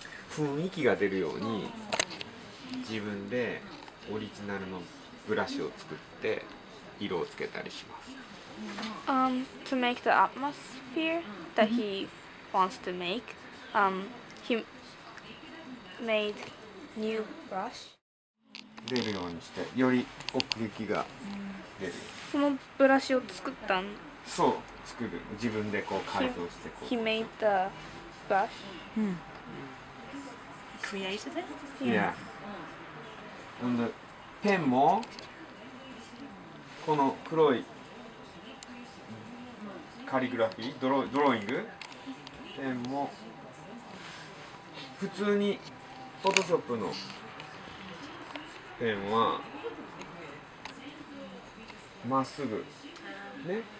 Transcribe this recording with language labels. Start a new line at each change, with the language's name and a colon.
Japanese: 雰囲気が出るように自分でオリジナルのブラシを作って色をつけたりします。
English: To make the atmosphere that he wants to make, he made new brush.
Japanese: 出るようにして、より奥行きが出る。そのブラシを作ったん？そう、作る。自分でこう改造してこう。
English: He made the brush. Created it? Yeah. And the pen
Japanese: も、この黒いカリグラフィー、ドローイング、ペンも、普通に Photoshop のペンは、まっすぐ。ね。